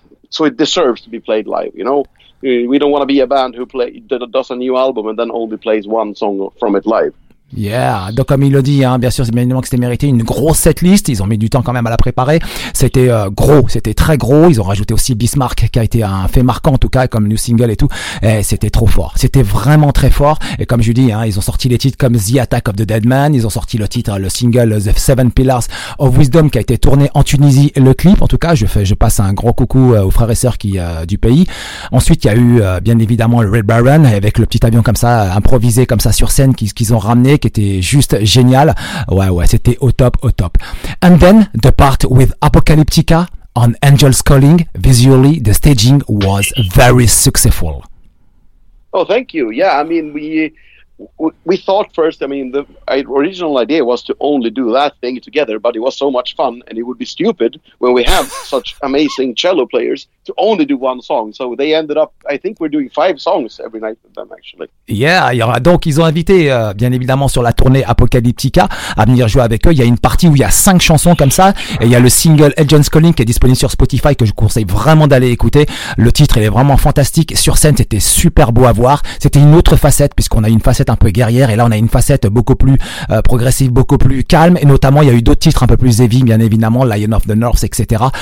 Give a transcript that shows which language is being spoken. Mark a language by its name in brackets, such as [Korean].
[English] So it deserves to be played live, you know. We don't want to be a band that does a new album and then only plays one song from it live. [French] Yeah, donc comme il le dit, hein, bien sûr, c'est bien évidemment que c'était mérité, une grosse setlist, ils ont mis du temps quand même à la préparer, c'était gros, c'était très gros, ils ont rajouté aussi Bismarck qui a été un fait marquant en tout cas, comme [English] new single [French] et tout, et c'était trop fort, c'était vraiment très fort, et comme je dis, hein, ils ont sorti les titres comme The Attack of the Dead Man, ils ont sorti le titre, le single The Seven Pillars of Wisdom qui a été tourné en Tunisie, le clip en tout cas, je passe un gros coucou aux frères et sœurs du pays. Ensuite, il y a eu bien évidemment le Red Baron, avec le petit avion comme ça, improvisé comme ça sur scène, qu'ils ont ramené, qui était juste génial. Ouais, c'était au top. [English] And then the part with Apocalyptica on Angels Calling, visually the staging was very successful. Oh, thank you. Yeah, I mean, we thought first, I mean, the original idea was to only do that thing together, but it was so much fun and it would be stupid when we have such amazing cello players to only do one song. So they ended up, I think we're doing 5 songs every night with them actually. [French] Yeah, y aura, donc ils ont invité bien évidemment sur la tournée Apocalyptica à venir jouer avec eux. Il y a une partie où il y a 5 chansons comme ça et il y a le single Agent's Calling qui est disponible sur Spotify que je conseille vraiment d'aller écouter. Le titre, il est vraiment fantastique. Sur scène, c'était super beau à voir. C'était une autre facette puisqu'on a une facette un peu guerrière et là on a une facette beaucoup plus progressive, beaucoup plus calme, et notamment il y a eu d'autres titres un peu plus heavy bien évidemment, Lion of the North, etc.